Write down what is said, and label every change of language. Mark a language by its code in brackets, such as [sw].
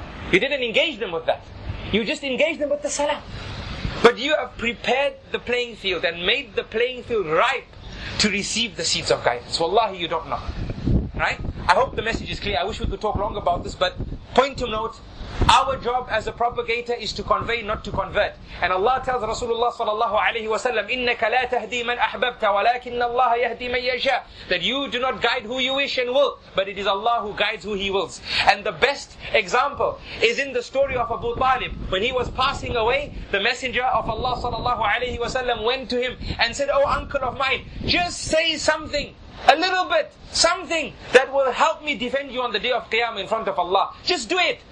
[en] You didn't engage them with that. You just engaged them with the salam. But you have prepared the playing field and made the playing field ripe to receive the seeds of guidance. Wallahi, you don't know. Right? I hope the message is clear. I wish we could talk longer about this, but point to note, Our job as a propagator is to convey, not to convert. And Allah tells Rasulullah [ar] sallallahu alayhi wa sallam, إِنَّكَ لَا تَهْدِي مَنْ أَحْبَبْتَ وَلَكِنَّ اللَّهَ يَهْدِي مَنْ يَشَاءَ. [en] That you do not guide who you wish and will, but it is Allah who guides who He wills. And the best example is in the story of Abu Talib. When he was passing away, the messenger of Allah sallallahu alayhi wa sallam went to him and said, oh uncle of mine, just say something. A little bit, something that will help me defend you on the day of Qiyamah in front of Allah. Just do it.